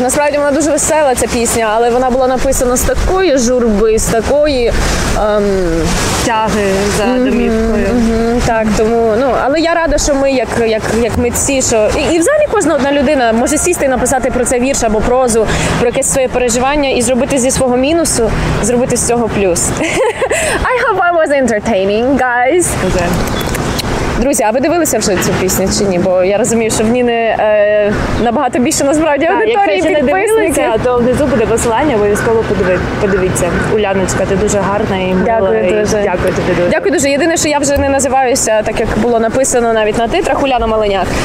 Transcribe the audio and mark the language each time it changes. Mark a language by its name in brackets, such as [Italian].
[Ukrainian] Насправді вона дуже весела, ця пісня, але вона була написана з такої журби, з такої тяги за домівкою. Так, тому, ну, але я рада, що ми, як митці, що... І взагалі кожна одна людина може сісти і написати про це вірш або прозу, про якесь своє переживання і зробити зі свого мінусу, зробити з цього плюс. [English] I hope I was entertaining, guys. [Ukrainian] Друзі, а ви дивилися вже цю пісню чи ні? Бо я розумію, що в Ніни набагато більше насправді аудиторії підписників. То внизу буде посилання, обов'язково подивіться. Уляночка, ти дуже гарна і мила. Дякую тобі дуже. Дякую дуже. Єдине, що я вже не називаюся, так як було написано навіть на титрах, Уляна Маленяк.